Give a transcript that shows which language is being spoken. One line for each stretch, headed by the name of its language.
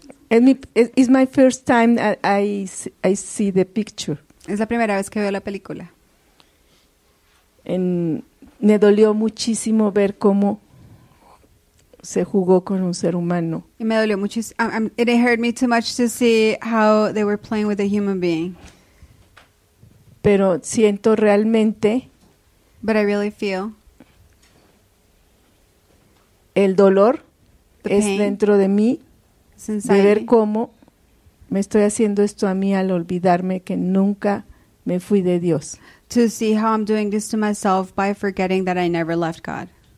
English: It's my first time I see the picture.
Spanish: Es la primera vez que veo la película. Me dolió muchísimo ver cómo se jugó con un ser humano. Y me dolió muchísimo.
English: It hurt me too much to see how they were playing with a human being.
Spanish: Pero siento realmente.
English: But I really feel.
Spanish: El dolor es dentro de mí. De ver cómo me estoy haciendo esto a mí al olvidarme que nunca me fui de Dios.
English: To see how I'm doing this to myself by forgetting that I never left God.